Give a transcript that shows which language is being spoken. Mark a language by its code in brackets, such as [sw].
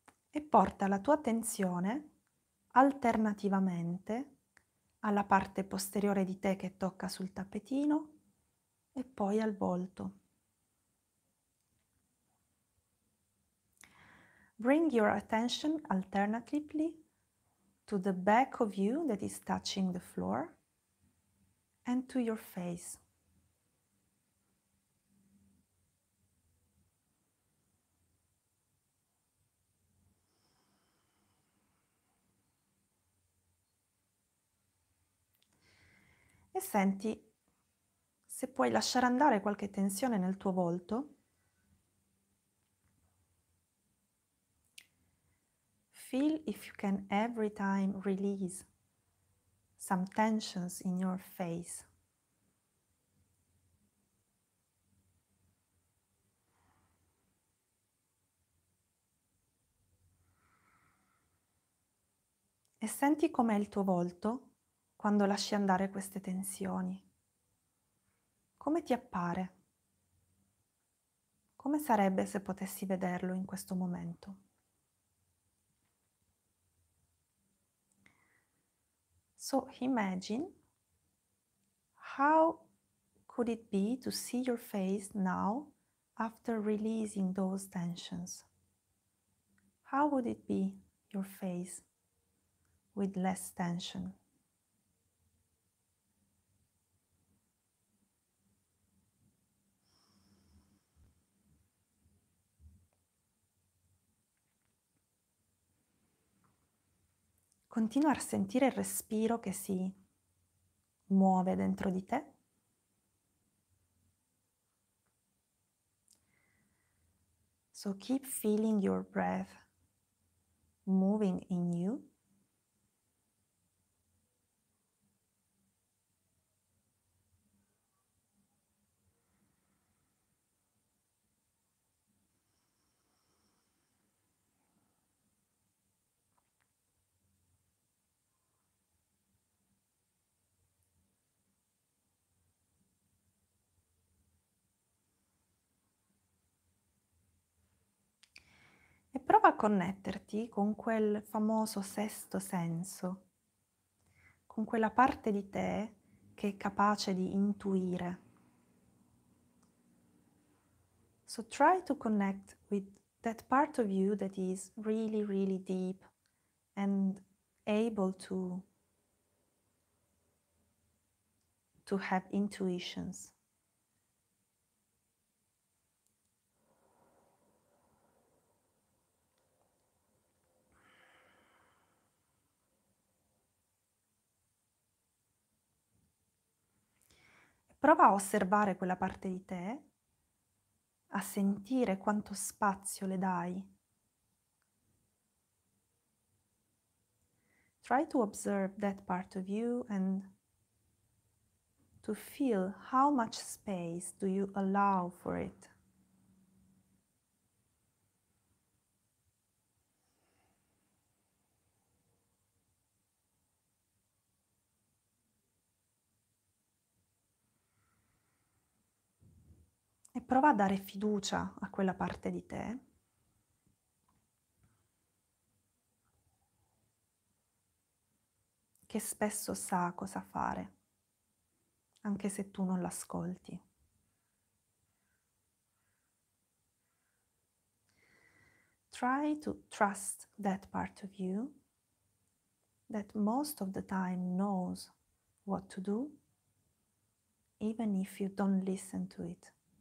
[it] E porta la tua attenzione alternativamente alla parte posteriore di te che tocca sul tappetino e poi al volto. [en] Bring your attention alternatively to the back of you that is touching the floor and to your face. [it] E senti se puoi lasciare andare qualche tensione nel tuo volto. [en] Feel if you can every time release some tensions in your face. [it] E senti com'è il tuo volto quando lasci andare queste tensioni. Come ti appare? Come sarebbe se potessi vederlo in questo momento? [en] So imagine, how could it be to see your face now after releasing those tensions? How would it be your face with less tension? [it] Continua a sentire il respiro che si muove dentro di te. [en] So keep feeling your breath moving in you. [it] E prova a connetterti con quel famoso sesto senso, con quella parte di te che è capace di intuire. [en] So try to connect with that part of you that is really, really deep and able to have intuitions. [it] Prova a osservare quella parte di te, a sentire quanto spazio le dai. [en] Try to observe that part of you and to feel how much space do you allow for it. [it] prova a dare fiducia a quella parte di te. Che spesso sa cosa fare, anche se tu non l'ascolti. [en] Try to trust that part of you that most of the time knows what to do, even if you don't listen to it.